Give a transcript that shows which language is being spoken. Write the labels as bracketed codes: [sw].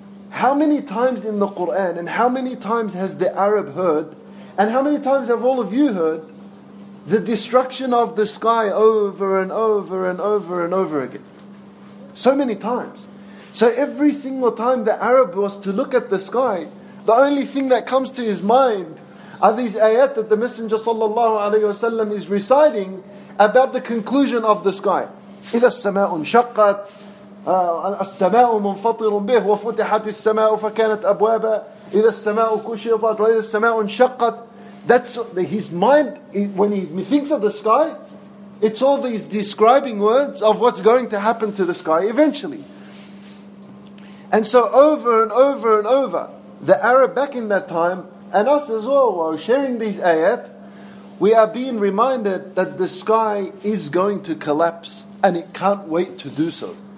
[en] How many times in the Qur'an, and how many times has the Arab heard, and how many times have all of you heard, the destruction of the sky over and over and over and over again? So many times. So every single time the Arab was to look at the sky, the only thing that comes to his mind are these ayat that the Messenger sallallahu alayhi wasallam is reciting about the conclusion of the sky. [ar] إِذَا السَّمَاءُ انشَقَّتْ السَّمَاءُ مُنْفَطِرٌ بِهِ وَفُتِحَتِ السَّمَاءُ فَكَانَتْ أَبْوَابًا إِذَا السَّمَاءُ كُشِطَتْ وَإِذَا السَّمَاءُ انشَقَّتْ. [en] That's his mind, when he thinks of the sky, it's all these describing words of what's going to happen to the sky eventually. And so over and over and over, the Arab back in that time, and us as well, while sharing these ayat, we are being reminded that the sky is going to collapse, and it can't wait to do so.